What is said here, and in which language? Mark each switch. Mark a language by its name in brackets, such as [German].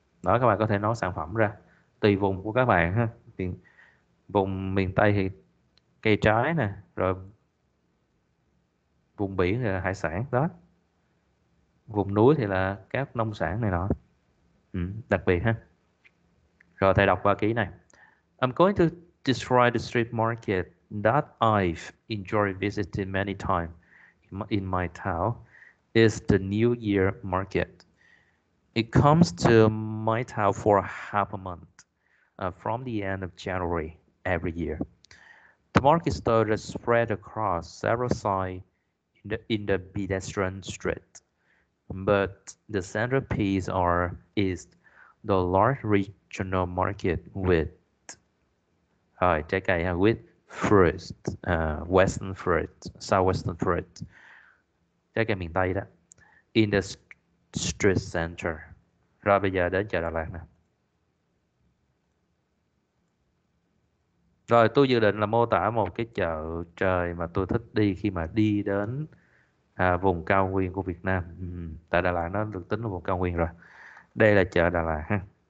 [Vietnamese] Đó, các bạn có thể nói sản phẩm ra tùy vùng của các bạn ha. Thì vùng miền Tây thì cây trái nè, rồi vùng biển thì là hải sản đó, vùng núi thì là các nông sản này nọ. Ừ, đặc biệt ha. Rồi thầy đọc qua ký này. [English] I'm going to describe the street market that I've enjoyed visiting many times in my town is the New Year Market. It comes to my town for half a month, from the end of January every year. The market store is spread across several sides in the pedestrian street, but the centerpiece is the large regional market with [Vietnamese] rồi trái cây ha, [English] with fruit, western fruit, southwestern fruit, [Vietnamese] trái cây miền Tây đó, [English] in the street center. [Vietnamese] Rồi bây giờ đến chợ Đà Lạt nè. Rồi tôi dự định là mô tả một cái chợ trời mà tôi thích đi khi mà đi đến vùng cao nguyên của Việt Nam. Ừ, tại Đà Lạt nó được tính là vùng cao nguyên rồi. Đây là chợ Đà Lạt ha.